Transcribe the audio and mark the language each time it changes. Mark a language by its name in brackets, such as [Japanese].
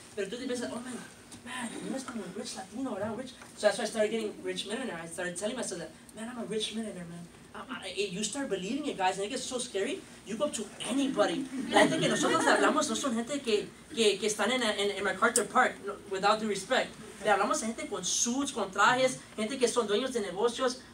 [Spanish] Pero tú te piensas, oh man, yo es como un rich Latino, ¿verdad? [English] Rich. So that's why I started getting rich millionaire. I started telling myself that, man, I'm a rich millionaire, man. You start believing it, guys, and it gets so scary, you go up to anybody. [Spanish] La gente que nosotros hablamos no son gente que están en MacArthur Park, without due respect. Le hablamos a gente con suits, con trajes, gente que son dueños de negocios.